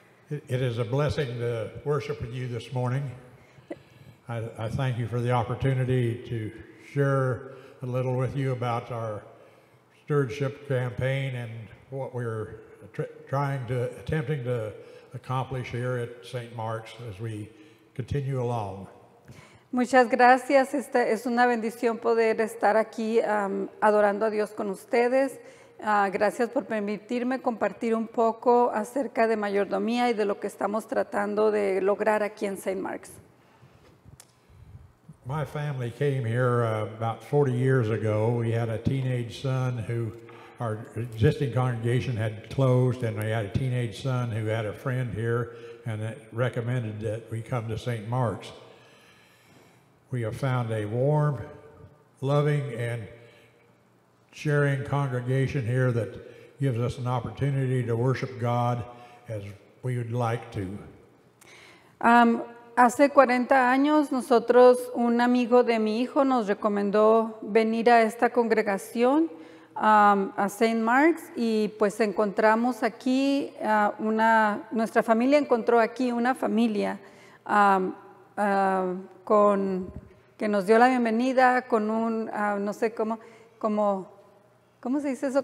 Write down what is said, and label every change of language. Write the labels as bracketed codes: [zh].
[en] It is a blessing to worship with you this morning. I thank you for the opportunity to share a little with you about our stewardship campaign and what we're attempting to accomplish here at St. Mark's as we continue along. [es] Muchas gracias. Esta es una bendición poder estar aquí adorando a Dios con ustedes. Gracias por permitirme compartir un poco acerca de mayordomía y de lo que estamos tratando de lograr aquí en St. Mark's. [en] My family came here about 40 years ago. We had a teenage son who our existing congregation had closed, and we had a teenage son who had a friend here and that recommended that we come to St. Mark's. We have found a warm, loving, and sharing congregation here that gives us an opportunity to worship God as we would like to. [es] Hace 40 años, nosotros, un amigo de mi hijo nos recomendó venir a esta congregación, a St. Mark's, y pues encontramos aquí, nuestra familia encontró aquí una familia que nos dio la bienvenida con un, no sé cómo, como... ¿Cómo se dice eso?